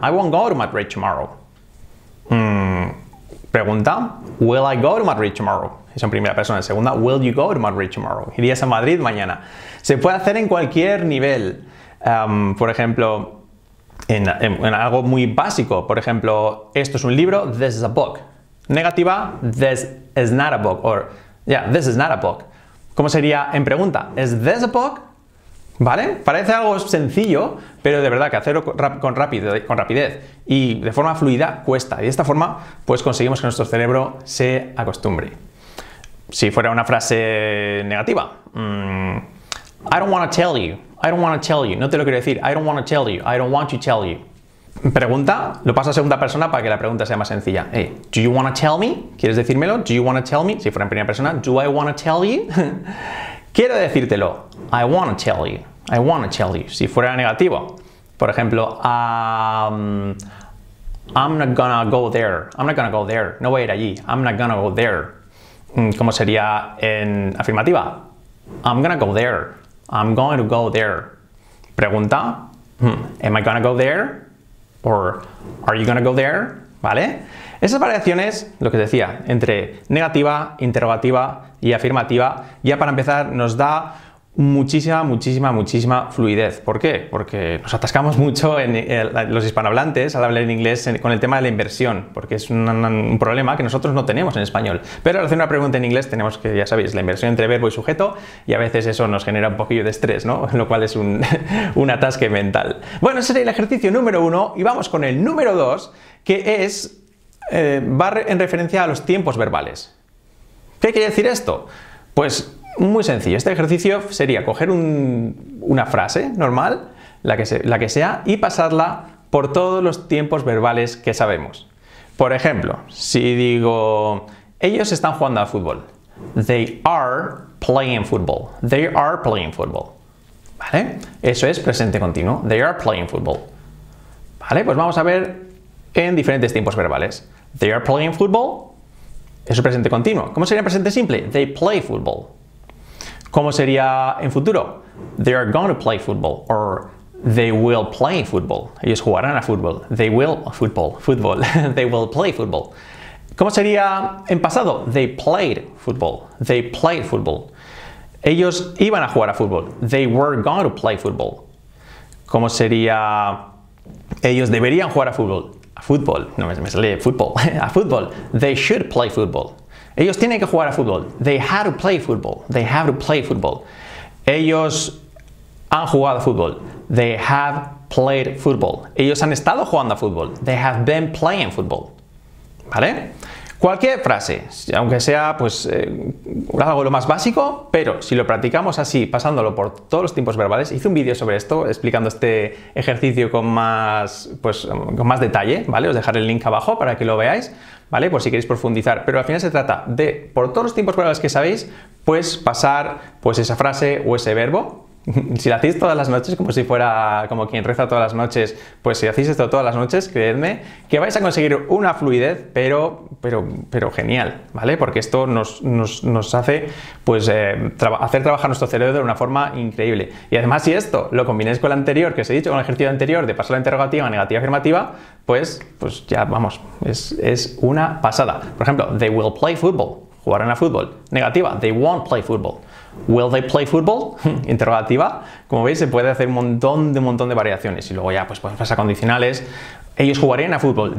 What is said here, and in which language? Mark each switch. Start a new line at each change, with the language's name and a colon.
English: I won't go to Madrid tomorrow. Pregunta, will I go to Madrid tomorrow?
Spanish: Es en primera persona. En segunda,
English: will you go to Madrid tomorrow?
Spanish: Irías a Madrid mañana. Se puede hacer en cualquier nivel. Por ejemplo, en algo muy básico. Por ejemplo, esto es un libro,
English: this is a book. Negativa, this is not a book, or yeah, this is not a book.
Spanish: ¿Cómo sería en pregunta?
English: Is this a book?
Spanish: ¿Vale? Parece algo sencillo, pero de verdad que hacerlo con rapidez y de forma fluida cuesta. Y de esta forma, pues conseguimos que nuestro cerebro se acostumbre. Si fuera una frase negativa.
English: I don't want to tell you. I don't want to tell you.
Spanish: No te lo quiero decir.
English: I don't want to tell you. I don't want to tell you.
Spanish: Pregunta, lo paso a segunda persona para que la pregunta sea más sencilla.
English: Hey, do you want to tell me?
Spanish: ¿Quieres decírmelo?
English: Do you want to tell me?
Spanish: Si fuera en primera persona,
English: do I want to tell you?
Spanish: Quiero decírtelo.
English: I want to tell you. I want to tell you.
Spanish: Si fuera negativo, por ejemplo,
English: I'm not gonna go there.
Spanish: I'm not gonna go there. No voy a ir allí.
English: I'm not gonna go there.
Spanish: ¿Cómo sería en afirmativa?
English: I'm gonna go there. I'm going to go there. Pregunta, am I gonna go there? Or, are you gonna go there?
Spanish: ¿Vale? Esas variaciones, lo que decía, entre negativa, interrogativa y afirmativa, ya para empezar nos da muchísima, muchísima, muchísima fluidez. ¿Por qué? Porque nos atascamos mucho los hispanohablantes al hablar en inglés con el tema de la inversión, porque es un problema que nosotros no tenemos en español. Pero al hacer una pregunta en inglés tenemos que, ya sabéis, la inversión entre verbo y sujeto, y a veces eso nos genera un poquillo de estrés, ¿no? Lo cual es un atasque mental. Bueno, ese sería el ejercicio número uno, y vamos con el número dos, que es, va en referencia a los tiempos verbales. ¿Qué quiere decir esto? Pues muy sencillo. Este ejercicio sería coger una frase normal, la que sea, y pasarla por todos los tiempos verbales que sabemos. Por ejemplo, si digo, ellos están jugando al fútbol.
English: They are playing football. They are playing football.
Spanish: ¿Vale? Eso es presente continuo.
English: They are playing football.
Spanish: ¿Vale? Pues vamos a ver en diferentes tiempos verbales.
English: They are playing football.
Spanish: Eso es presente continuo. ¿Cómo sería presente simple?
English: They play football.
Spanish: ¿Cómo sería en futuro?
English: They are going to play football. Or they will play football.
Spanish: Ellos jugarán a fútbol.
English: They will football. They will play football.
Spanish: ¿Cómo sería en pasado?
English: They played football. They played football.
Spanish: Ellos iban a jugar a fútbol.
English: They were going to play football.
Spanish: ¿Cómo sería? Ellos deberían jugar a fútbol. A fútbol. No me sale fútbol. A fútbol.
English: They should play football.
Spanish: Ellos tienen que jugar a fútbol.
English: They have to play football. They have to play football.
Spanish: Ellos han jugado a fútbol.
English: They have played football.
Spanish: Ellos han estado jugando a fútbol.
English: They have been playing football.
Spanish: ¿Vale? Cualquier frase, aunque sea pues algo lo más básico, pero si lo practicamos así, pasándolo por todos los tiempos verbales, hice un vídeo sobre esto explicando este ejercicio con más detalle, ¿vale? Os dejaré el link abajo para que lo veáis, ¿vale? Por si queréis profundizar, pero al final se trata de, por todos los tiempos verbales que sabéis, pues pasar pues esa frase o ese verbo. Si lo hacéis todas las noches, como si fuera como quien reza todas las noches, pues si hacéis esto todas las noches, creedme que vais a conseguir una fluidez, pero genial, ¿vale? Porque esto nos hace pues hacer trabajar nuestro cerebro de una forma increíble. Y además, si esto lo combináis con el anterior, que os he dicho, con el ejercicio anterior de pasar la interrogativa, negativa, afirmativa, pues ya vamos, es una pasada. Por ejemplo,
English: they will play football,
Spanish: jugarán a fútbol.
English: Negativa, they won't play football. Will they play football?
Spanish: Interrogativa. Como veis, se puede hacer un montón de variaciones. Y luego ya, pues pasas a condicionales. Ellos jugarían a fútbol.